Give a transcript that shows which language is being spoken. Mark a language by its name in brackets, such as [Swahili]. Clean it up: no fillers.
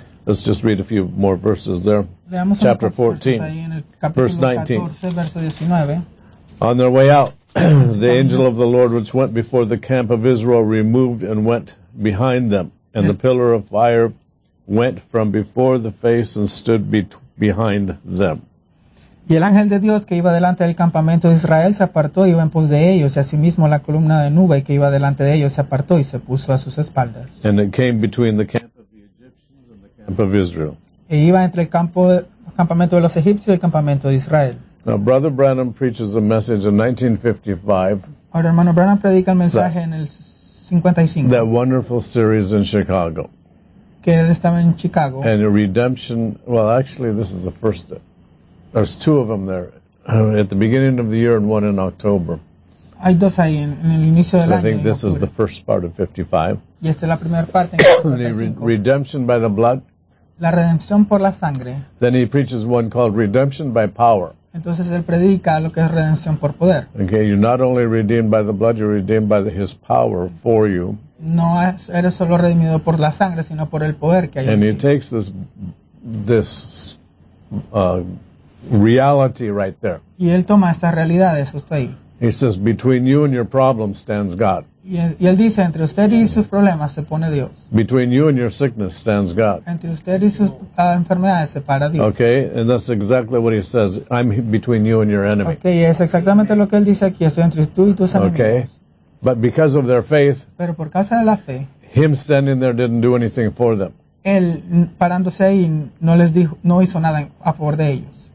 [English] Let's just read a few more verses there. [Spanish] Leamos [English] chapter 14, verse 19. On their way out, the angel of the Lord which went before the camp of Israel removed and went behind them. And the pillar of fire went from before the face and stood behind them. [Spanish] Y el ángel de Dios que iba delante del campamento de Israel se apartó y iba en pos de ellos. Y asimismo la columna de nube que iba delante de ellos se apartó y se puso a sus espaldas. [English] And it came between the camp of the Egyptians and the camp of Israel. [Spanish] E iba entre el campamento de los egipcios y el campamento de Israel. [English] Now Brother Branham preaches a message in 1955. [Spanish] Ahora hermano Branham predica el mensaje en el 55. [English] That wonderful series in Chicago. [Spanish] Que él estaba en Chicago. [English] And a redemption, well actually this is the first, there's two of them there, at the beginning of the year and one in October. [Spanish] Hay dos ahí en el inicio del año. [English] I think this is the first part of 55. [Spanish] Y esta es la primera parte en 55. [English] Redemption by the blood. [Spanish] La redención por la sangre. [English] Then he preaches one called Redemption by Power. [Spanish] Entonces él predica lo que es redención por poder. [English] Okay, you're not only redeemed by the blood, you're redeemed by his power for you. [Spanish] No eres solo redimido por la sangre, sino por el poder que hay. [English] And [Spanish] en [English] he [Spanish] ti. [English] Takes this reality right there. [Spanish] Y él toma esta realidad, eso está ahí. [English] He says, between you and your problem stands God. [Spanish] Y él dice, entre usted y sus problemas se pone Dios. [English] Between you and your sickness stands God. [Spanish] Entre usted y sus enfermedades se para Dios. [English] Okay, and that's exactly what he says. I'm between you and your enemy. [Spanish] Okay, es exactamente lo que él dice aquí. Estoy entre tú y tus enemigos. [English] Okay, but because of their faith, [Spanish] pero por causa de la fe, [English] him standing there didn't do anything for them. [Spanish] Él parándose ahí no les dijo, no hizo nada a favor de ellos.